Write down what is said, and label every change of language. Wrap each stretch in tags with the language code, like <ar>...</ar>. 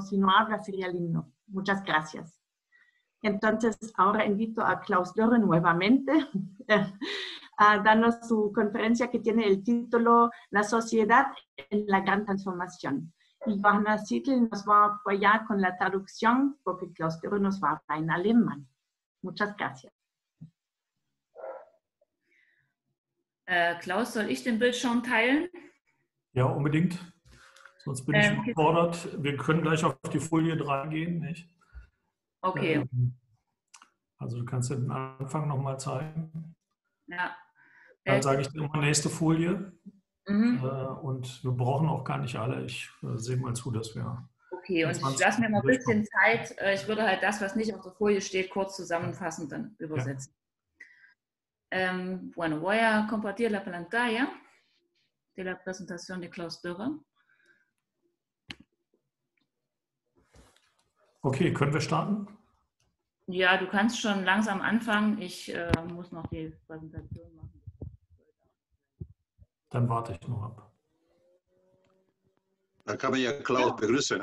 <es>Si no habla, sería lindo. Muchas gracias. Entonces, ahora invito a Klaus Dörre nuevamente a darnos su conferencia que tiene el título La sociedad en la gran transformación. Y Johanna Sittel nos va a apoyar con la traducción porque Klaus Dörre nos va a hablar en alemán. Muchas gracias.</es> <de>Klaus, soll ich den Bildschirm teilen? Ja, unbedingt. Sonst bin ich überfordert. Wir können gleich auf die Folie 3 gehen, nicht? Okay. Also du kannst den Anfang nochmal zeigen. Ja. Dann sage ich dir nochmal nächste Folie. Mhm. Und wir brauchen auch gar nicht alle. Ich sehe mal zu, dass wir... Okay, und ich lasse mir mal ein bisschen Zeit. Ich würde halt das, was nicht auf der Folie steht, kurz zusammenfassend dann übersetzen. Ja.</de> <es>Bueno, voy a compartir la pantalla de la presentación de Klaus Dürer.</es> <de>Okay, können wir starten? Ja, du kannst schon langsam anfangen. Ich muss noch die Präsentation machen. Dann warte ich noch ab. Dann kann man ja Klaus begrüßen.</de>